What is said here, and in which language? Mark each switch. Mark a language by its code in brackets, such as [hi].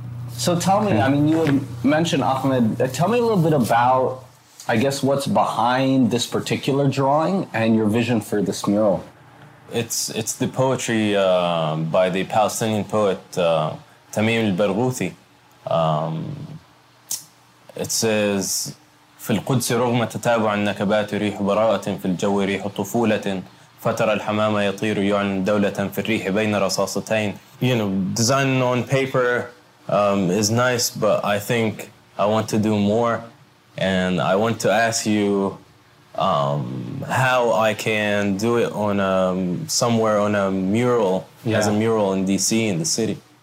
[en] So tell me, I mean, you had mentioned Ahmed. Tell me a little bit about, I guess, what's behind this particular drawing and your vision for this mural. It's the poetry by the Palestinian poet Tamim al-Barghouthi. It says, [ar] في القدس رغم تتابع النكبات ريح براءة في الجو ريح طفولة فترى الحمام يطير يعلن دولة في الريح بين رصاصتين. [en] You know, design on paper is nice, but I think I want to do more. And I want to ask you how I can do it on somewhere on a mural, yeah. As a mural in DC, in the city.